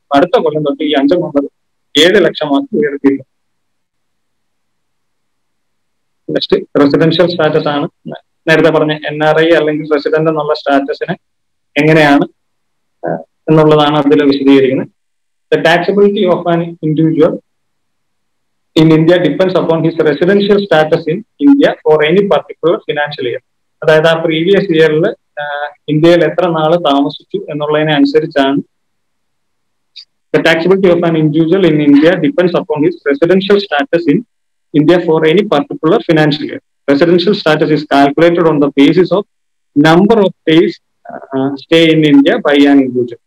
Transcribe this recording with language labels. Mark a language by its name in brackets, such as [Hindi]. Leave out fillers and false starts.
[Malayalam] അടുത്ത കൊല്ലം തൊട്ട് ഈ 5.9-7 ലക്ഷമാക്കി ഉയർത്തിയിട്ടുണ്ട്. നെക്സ്റ്റ് റെസിഡൻഷ്യൽ സ്റ്റാറ്റസ് ആണ്. നേരത്തെ പറഞ്ഞ NRI അല്ലെങ്കിൽ റെസിഡന്റ് എന്നുള്ള സ്റ്റാറ്റസിനെ എങ്ങനെയാണ് എന്നുള്ളതാണ് അതിൽ വിശദീകരിക്കുന്നത്. [English] The taxability of an individual in India depends upon his residential status in India for any particular financial year. [Malayalam] അതായത് ആ പ്രീവിയസ് ഇയറിൽ ഇന്ത്യയിൽ എത്ര നാൾ താമസിച്ചു എന്നുള്ളതിനെ അനുസരിച്ചാണ് [English] The taxability of an individual in India depends upon his residential status in India for any particular financial year. Residential status is calculated on the basis of number of days stay in India by an individual.